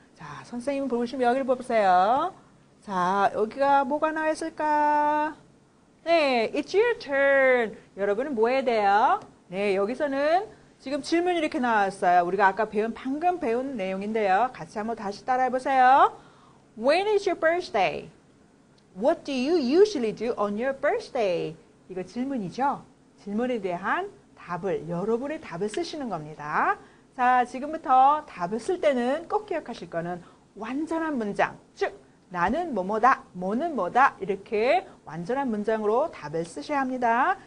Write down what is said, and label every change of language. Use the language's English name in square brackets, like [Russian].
[Korean] 자, 선생님 보시면 여기를 보세요. 자, 여기가 뭐가 나와 있을까? 네, [English] it's your turn. [Korean] 여러분은 뭐 해야 돼요? 네, 여기서는 지금 질문이 이렇게 나왔어요. 우리가 아까 배운, 방금 배운 내용인데요. 같이 한번 다시 따라해 보세요. [English] When is your birthday? What do you usually do on your birthday? [Korean] 이거 질문이죠? 질문에 대한 답을, 여러분의 답을 쓰시는 겁니다. 자, 지금부터 답을 쓸 때는 꼭 기억하실 거는 완전한 문장, 즉, 나는 뭐뭐다, 뭐는 뭐다 이렇게 완전한 문장으로 답을 쓰셔야 합니다.